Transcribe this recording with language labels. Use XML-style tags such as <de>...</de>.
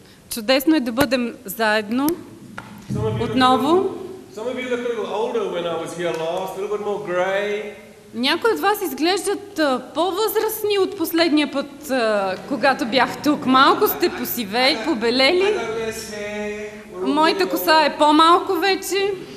<bg>Чудесно е да бъдем заедно отново.</bg> <en>Some of you look a little older when I was here last, a little bit more gray.</en> <bg>Някои от вас изглеждат по-възрастни от последния път, когато бях тук. Малко сте посивели, побелели. Моята коса е по-малко вече.</bg>